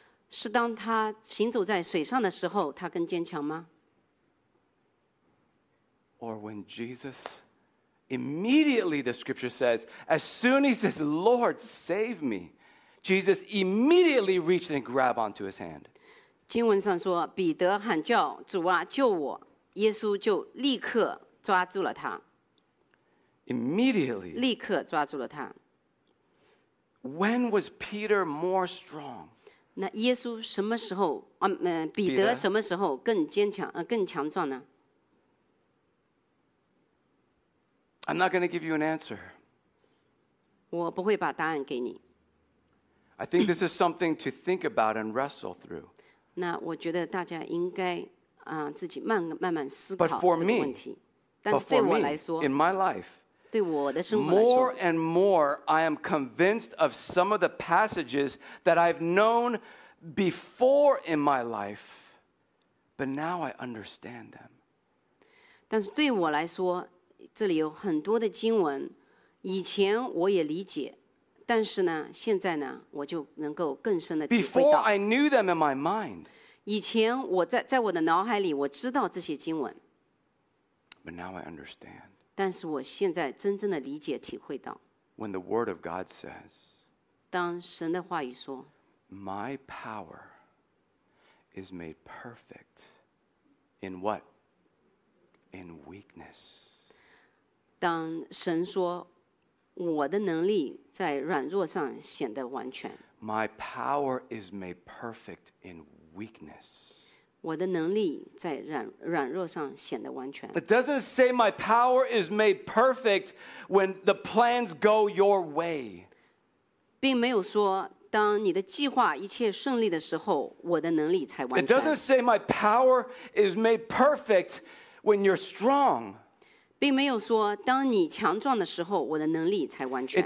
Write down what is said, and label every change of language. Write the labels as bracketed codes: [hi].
[zh] 是当他行走在水上的时候，他更坚强吗 [en] ？Or when Jesus immediately the scripture says, as soon as he says, Lord, save me, Jesus immediately reached and grabbed onto his hand. [zh] 经文上说，彼得喊叫，主啊，救我！耶稣就立刻抓住了他。 [en] Immediately. [zh] 立刻抓住了他。 [en] When was Peter more strong? [zh] 那耶稣什么时候彼得什么时候更坚强更强壮呢？ [en] I'm not going to give you an answer. [zh] 我不会把答案给你。 [en] I think this is something to think about and wrestle through. [zh] 那我觉得大家应该自己慢慢思考这个问题。但是对我来说 [en] in my life, [zh] 对我的生活来说, [en] more and more, I am convinced of some of the passages that I've known before in my life, but now I understand them. [zh] 但是对我来说，这里有很多的经文，以前我也理解，但是呢，现在呢，我就能够更深的体会到。 [en] Before I knew them in my mind. [zh] 以前我在我的脑海里，我知道这些经文。 [en] But now I understand. [zh] 但是我现在真正的理解体会到 [en] When the word of God says, [zh] 当神的话语说 [en] My power is made perfect in what? In weakness. [zh] 当神说我的能力在软弱上显得完全 [en] My power is made perfect in weakness. [zh] 我的能力在软弱上显得完全。 [en] It doesn't say my power is made perfect when the plans go your way. [zh] 并没有说当你的计划一切顺利的时候，我的能力才完全。 [en] It doesn't say my power is made perfect when you're strong. [zh] 并没有说当你强壮的时候，我的能力才完全。